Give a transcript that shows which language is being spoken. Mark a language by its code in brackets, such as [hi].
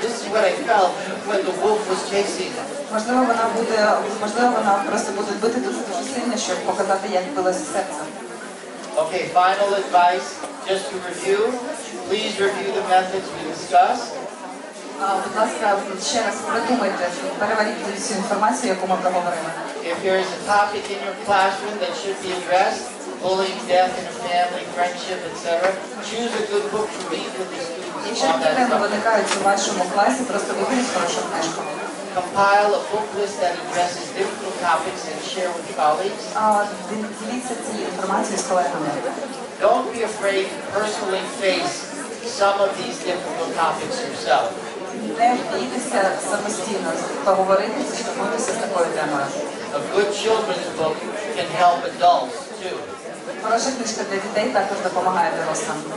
[en] This is what I felt when the wolf was chasing. [uk] Можливо, вона просто буде бити дуже-дуже сильно, щоб показати, як билося серце. [en] Okay, final advice, just to review. Please review the methods we discussed. [uk] будь ласка, ще раз продумайте, переваріть цю інформацію, яку ми проговорили. [en] If there is a topic in your classroom that should be addressed, bullying, death in a family, friendship, etc., choose a good book to read with the students. [uk] Якщо проблеми виникають у вашому класі, просто виберіть хорошу книжку. [en] Compile a book list that addresses difficult topics and share with colleagues. [uk] Діліться цією інформацією з колегами. [en] Don't be afraid to personally face some of these difficult topics yourself. [uk] Не бійтеся самостійно поговорити чи спілкуватися з такою темою. [en] A good children's book can help adults too. [uk] Хороша книжка для дітей також допомагає дорослим.